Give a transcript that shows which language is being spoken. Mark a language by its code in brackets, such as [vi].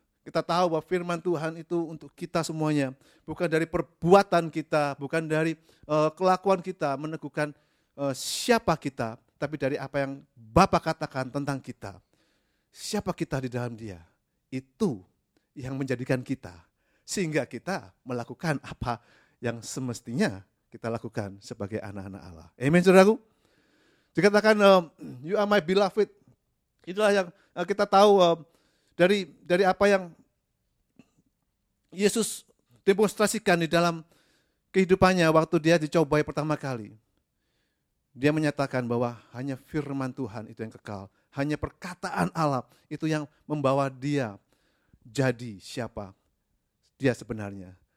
[id] Kita tahu bahwa firman Tuhan itu untuk kita semuanya. Bukan dari perbuatan kita, bukan dari kelakuan kita meneguhkan siapa kita, tapi dari apa yang Bapa katakan tentang kita. Siapa kita di dalam dia, itu yang menjadikan kita. Sehingga kita melakukan apa yang semestinya kita lakukan sebagai anak-anak Allah. Amen, saudaraku. Dikatakan, [en] you are my beloved. [id] Itulah yang kita tahu dari apa yang Yesus demonstrasikan di dalam kehidupannya waktu dia dicobai pertama kali. Dia menyatakan bahwa hanya firman Tuhan itu yang kekal. Hanya perkataan Allah itu yang membawa dia jadi siapa dia sebenarnya.